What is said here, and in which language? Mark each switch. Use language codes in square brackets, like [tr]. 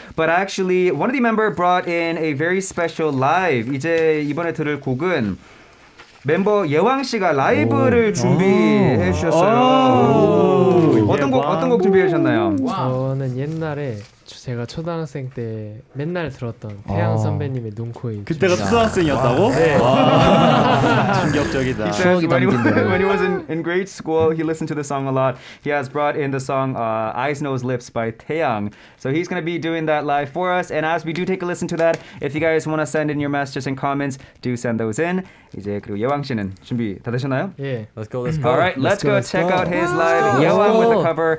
[en] But actually, one of the members brought in a very special live. [ko] 이제 이번에 들을 곡은 멤버 예왕 씨가 라이브를 준비해 주셨어요. 어떤 곡 준비하셨나요? 저는 옛날에 제가 초등학생 때 맨날 들었던 태양 선배님의 눈코입. 그때가 초등학생이었다고? 네. 와. 충격적이다. 추억이 담긴데. [en] When he was in grade school, he listened to the song a lot. He has brought in the song Eyes, Nose, Lips by 태양. So he's going to be doing that live for us. And as we do take a listen to that, if you guys want to send in your messages and comments, do send those in. [ko] 이제 그리고 예왕 씨는 준비 다 되셨나요? 예. [en] Let's go. All right, let's go check out his live. 예왕 with the cover.